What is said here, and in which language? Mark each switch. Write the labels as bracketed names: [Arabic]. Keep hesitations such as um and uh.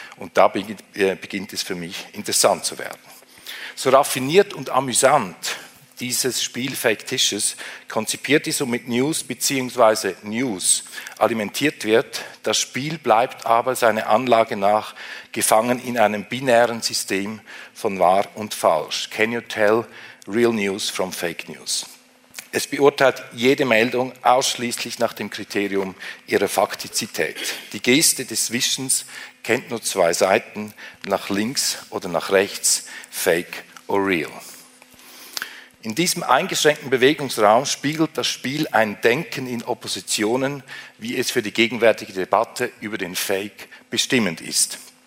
[German] Und da beginnt, äh, beginnt es für mich interessant zu werden. So raffiniert und amüsant dieses Spiel Fictitious konzipiert ist und mit News bzw. News alimentiert wird. Das Spiel bleibt aber seiner Anlage nach gefangen in einem binären System von wahr und falsch. [English] Can you tell real news from fake news? [German] Es beurteilt jede Meldung ausschließlich nach dem Kriterium ihrer Faktizität. Die Geste des Wischens kennt nur zwei Seiten, nach links oder nach rechts, [English] fake or real. [German] In diesem eingeschränkten Bewegungsraum spiegelt das Spiel ein Denken in Oppositionen, wie es für die gegenwärtige Debatte über den Fake bestimmend ist.